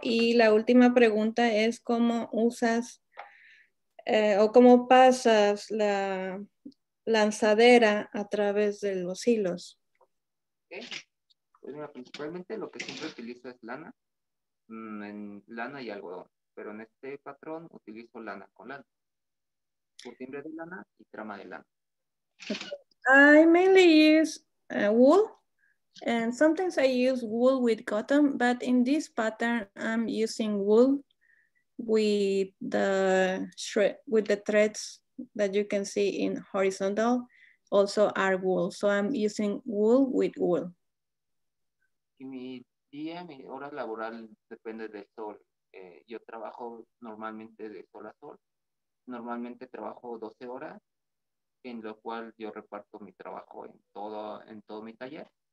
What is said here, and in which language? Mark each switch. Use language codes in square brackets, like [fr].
[es] Y la última pregunta es cómo usas o cómo pasas la lanzadera a través de los hilos. [en] Okay. [es] Pues mira, principalmente lo que siempre utilizo es lana, en lana y algodón, pero en este patrón utilizo lana con lana, cortimbre de lana y trama de lana. [en] I mainly use wool, and sometimes I use wool with cotton, but in this pattern I'm using wool with the threads that you can see in horizontal, also are wool. So I'm using wool with wool. [es] Y mi día, mi hora laboral depende del sol. Yo trabajo normalmente de sol a sol. Normalmente trabajo 12 horas, en lo cual yo reparto mi trabajo en todo mi taller.